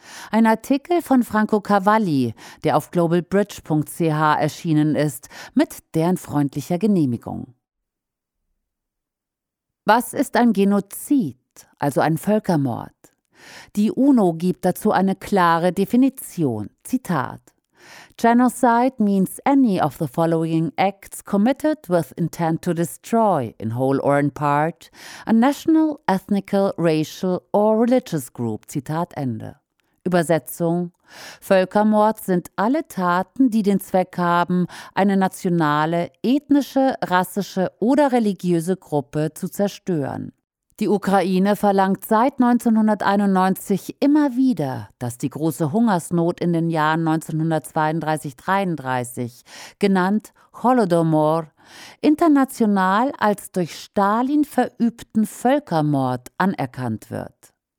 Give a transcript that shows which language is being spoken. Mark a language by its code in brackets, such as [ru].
[de] Ein Artikel von Franco Cavalli, der auf globalbridge.ch erschienen ist, mit deren freundlicher Genehmigung. Was ist ein Genozid, also ein Völkermord? Die UNO gibt dazu eine klare Definition. [en] Zitat: Genocide means any of the following acts committed with intent to destroy, in whole or in part, a national, ethnical, racial or religious group. [de] Zitat Ende. Übersetzung: Völkermord sind alle Taten, die den Zweck haben, eine nationale, ethnische, rassische oder religiöse Gruppe zu zerstören. Die Ukraine verlangt seit 1991 immer wieder, dass die große Hungersnot in den Jahren 1932-33, genannt Holodomor, international als durch Stalin verübten Völkermord anerkannt wird.